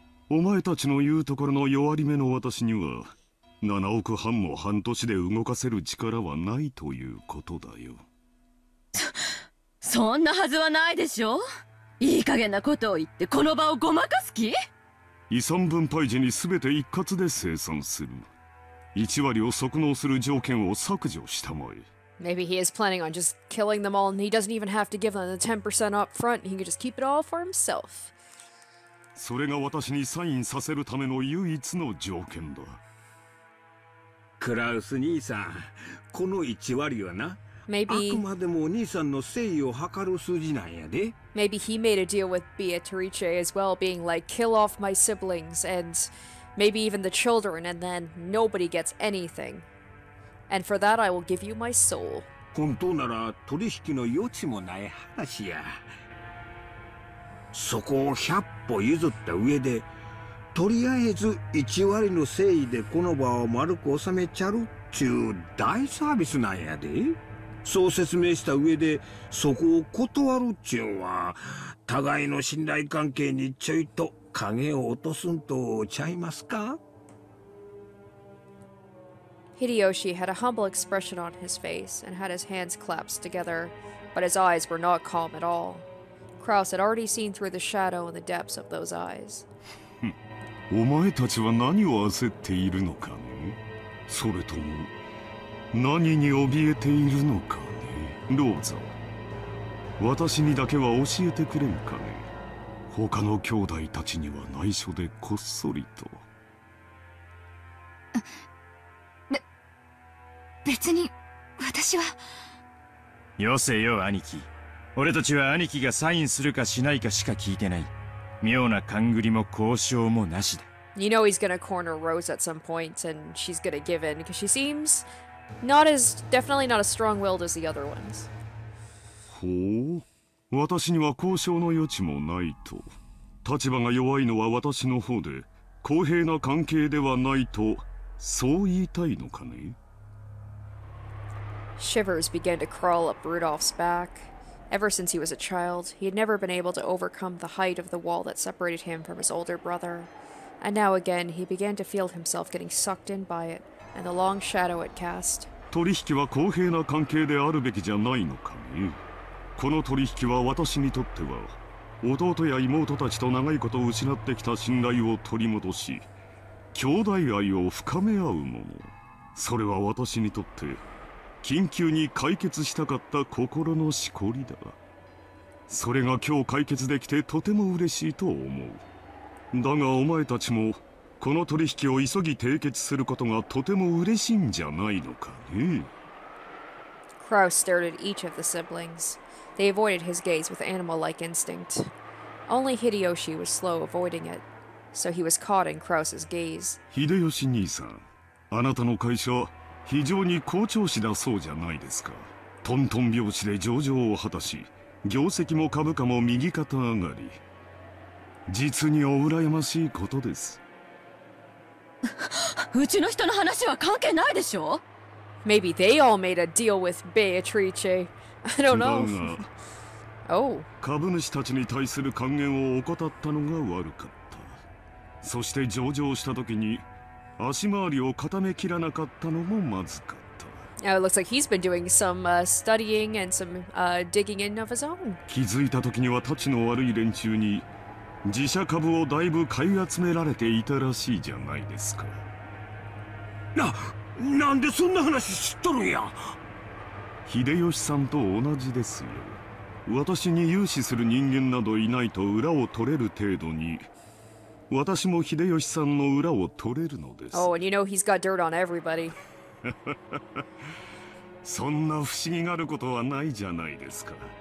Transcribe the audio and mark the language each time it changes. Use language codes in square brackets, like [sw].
[ja] お前たちの言うところの弱り目の私には7億半も半年で動かせる力はないということだよ。そんなはずはないでしょ。いい加減なことを言ってこの場をごまかす気？遺産分配時に全て一括で清算する。1割を即納する条件を削除したまえ。 [en] Maybe he is planning on just killing them all and he doesn't even have to give them the 10% up front. He can just keep it all for himself. [ja] それが私にサインさせるための唯一の条件だ。クラウス兄さん、この1割はな、 [en] Maybe... [ja] あくまでもお兄さんの誠意を測る数字なんやで。 [en] Maybe he made a deal with Beatrice as well, being like, kill off my siblings and maybe even the children, and then nobody gets anything. And for that, I will give you my soul. [ja] 本当なら取引の余地もない話や。そこを100歩譲った上で、とりあえず1割の誠意でこの場を丸く収めちゃるっていう大サービスなんやで。そう説明した上でそこを断るっちゅうんは互いの信頼関係にちょいと影を落とすんとちゃいますか。 [en] Hideyoshi had a humble expression on his face and had his hands clasped together, but his eyes were not calm at all. Kraus had already seen through the shadow in the depths of those eyes. [ja] お前たちは何を焦っているのかね。それとも何に怯えているのかね、ローザ。私にだけは教えてくれんかね。他の兄弟たちには内緒でこっそりと。別に私は。よせよ、兄貴。俺たちは兄貴がサインするかしないかしか聞いてない。妙な勘繰りも交渉もなしだ。 [en] You know he's gonna corner Rose at some point and she's gonna give in because she seems... Not as, definitely not as strong-willed as the other ones. [ja] ほう、私には交渉の余地もないと。立場が弱いのは私の方で、公平な関係ではないと、そう言いたいのかね。 [en] Shivers began to crawl up Rudolph's back. Ever since he was a child, he had never been able to overcome the height of the wall that separated him from his older brother. And now again, he began to feel himself getting sucked in by it. And the long shadow it cast. [ja] 取引は公平な関係であるべきじゃないのかね。この取引は私にとっては弟や妹たちと長いこと失ってきた信頼を取り戻し兄弟愛を深め合うもの。それは私にとって緊急に解決したかった心のしこりだ。それが今日解決できてとても嬉しいと思う。だがお前たちもこの取引を急ぎ締結することがとても嬉しいんじゃないのかね。 [en] Kraus stared at each of the siblings. They avoided his gaze with animal-like instinct. Only Hideyoshi was slow avoiding it, so he was caught in Kraus's gaze. [ja] Hideyoshi 兄さん、あなたの会社非常に好調子だそうじゃないですか。トントン拍子で上場を果たし、業績も株価も右肩上がり。実にお羨ましいことです。うちの人の話は関係ないでしょ。 [en] Maybe they all made a deal with Beatrice. I don't know. Oh. [ja] 株主たちに対する還元を怠ったのが悪かった。そして上場した時に足回りを固めきらなかったのもまずかった。 [en] Now it looks like he's been doing some studying and some digging in of his own. [ja] 気づいた時には立ちの悪い連中に自社株をだいぶ買い集められていたらしいじゃないですか。なんでそんな話知っとるんや。秀吉さんと同じですよ。私に融資する人間などいないと裏を取れる程度に、 私も秀吉さんの裏を取れるのです。 [en] Oh, and you know he's got dirt on everybody. [ja] そんな不思議があることはないじゃないですか。